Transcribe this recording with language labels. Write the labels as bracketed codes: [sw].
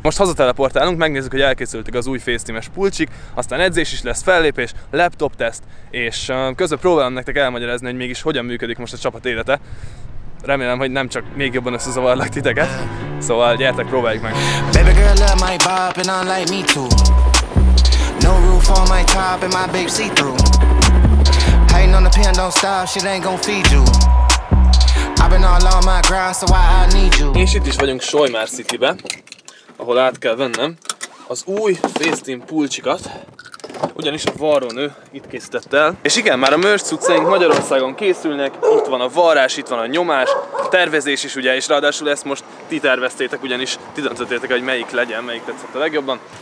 [hu] Most hazateleportálunk, megnézzük, hogy elkészültek az új FaceTeam-es pulcsik, aztán edzés is lesz, fellépés, laptop teszt, és közben próbálom nektek elmagyarázni, hogy mégis hogyan működik most a csapat élete. Remélem, hogy nem csak még jobban összezavarlak titeket. Szóval gyertek, próbáljuk meg! [en] Baby girl love my bop and unlike me too. No roof on my top and my babe see through. Hating on the pen don't stop, shit ain't gon' feed you. I've been all on my grind, so why I need you. [hu] És itt is vagyunk Sojmár Citybe, ahol át kell vennem az új FaceTeam pulcsikat. Ugyanis a varrónő itt készített el. És igen, már a merch cuccaink Magyarországon készülnek. Itt van a varrás, itt van a nyomás, a tervezés is ugye, és ráadásul ezt most ti terveztétek, ugyanis ti döntöttétek, hogy melyik legyen, melyik tetszett a legjobban.